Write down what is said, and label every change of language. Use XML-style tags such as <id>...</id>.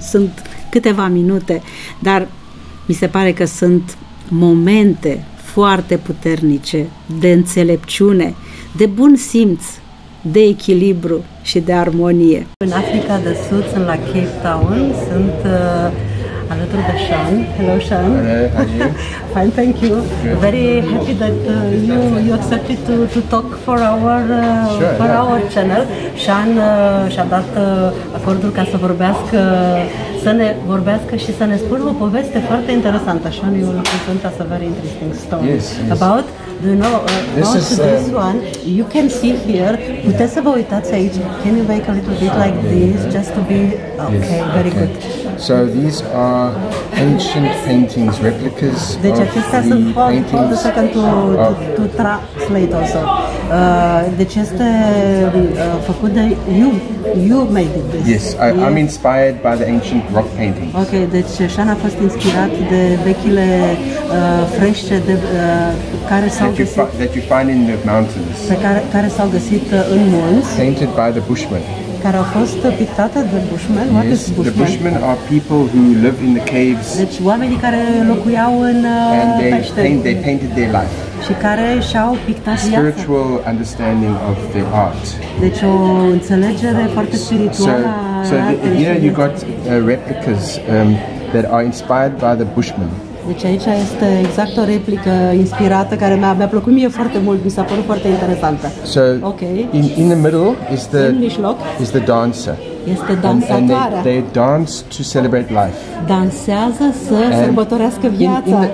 <ro>Sunt câteva minute, dar mi se pare că sunt momente foarte puternice de înțelepciune, de bun simț, de echilibru și de armonie. În Africa de Sud, sunt la Cape Town, sunt alături de Sean.</ro> <en>Hello, Sean. Fine, thank you. Very happy that you accepted to talk for our channel.</en> <ro>Sean și-a dat acordul ca să vorbească, să ne vorbească și să ne spună o poveste foarte interesantă.</ro> <en>Sean, you will present us a very interesting story. Yes. About, you know, this one, you can see here,</en> <ro>puteți să vă uitați aici,</ro> <en>can you make a little bit like this, just to be, okay, yes, very okay. Good. So these are ancient paintings, replicas.</en> <ro>Deci acestea sunt</ro> <en>paintings. Hold a second to translate also.</en> <ro>Deci este făcut de</ro> <en>you made it. This. Yes, I'm inspired by the ancient rock paintings.</en> <ro>Okay, deci Sean a fost inspirat de vechile frește de care s-au găsit.</ro> <en>That you find in the mountains.</en> <ro>Care s-au găsit în munți.</ro> <en>Painted by the bushmen.</en> <ro>Care au fost pictate de bushmen.</ro> <en>Yes, what is bushmen? The bushmen are people who live in the caves.</en> <ro>Deci oamenii care locuiau în pește.</ro> <en>And they painted their life.</en> <ro>Și care și-au pictat viața.</ro> <en>Spiritual understanding of their art.</en> <ro>Deci o înțelegere foarte spirituală.</ro> <en>So here you got replicas that are inspired by the bushmen.</en> <ro>Deci aici este exact o replică inspirată care mi-a plăcut mie foarte mult, mi s-a părut foarte interesantă.</ro> <en>So, okay. In the middle is the dancer.</en> <ro>Este dansatoarea.</ro> <en>And they dance to celebrate life.</en> <ro>Dansează să sărbătorească viața.</ro>